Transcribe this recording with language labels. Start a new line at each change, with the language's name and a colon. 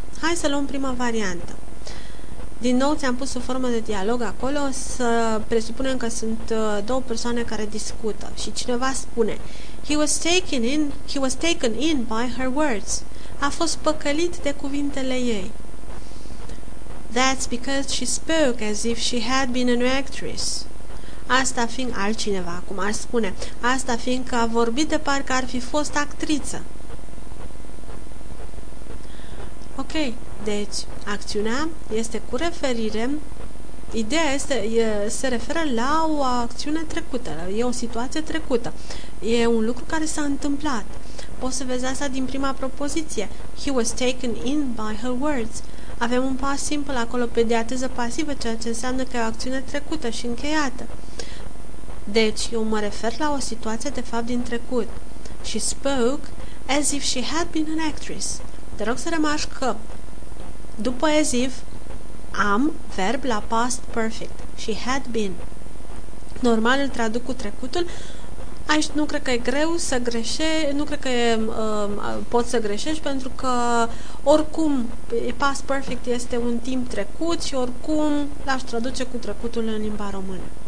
Romanian: Hai să luăm prima variantă. Din nou ți-am pus o formă de dialog acolo, să presupunem că sunt două persoane care discută și cineva spune
English: He was taken in by her words.
Romanian: A fost păcălit de cuvintele ei.
English: That's because she spoke as if she had been an actress.
Romanian: Asta fiind altcineva, cum ar spune. Asta fiindcă a vorbit de parcă ar fi fost actriță. Ok, deci acțiunea este cu referire. Ideea este, se referă la o acțiune trecută. E o situație trecută. E un lucru care s-a întâmplat. Poți să vezi asta din prima propoziție.
English: He was taken in by her words.
Romanian: Avem un past simple acolo pe diateză pasivă, ceea ce înseamnă că e o acțiune trecută și încheiată. Deci, eu mă refer la o situație de fapt din trecut.
English: She spoke as if she had been an actress.
Romanian: Te rog să remarci că după as if am verb la past perfect.
English: She had been.
Romanian: Normal îl traduc cu trecutul. Aici nu cred că e greu să greșești, nu cred că poți să greșești, pentru că oricum past perfect este un timp trecut și oricum l-aș traduce cu trecutul în limba română.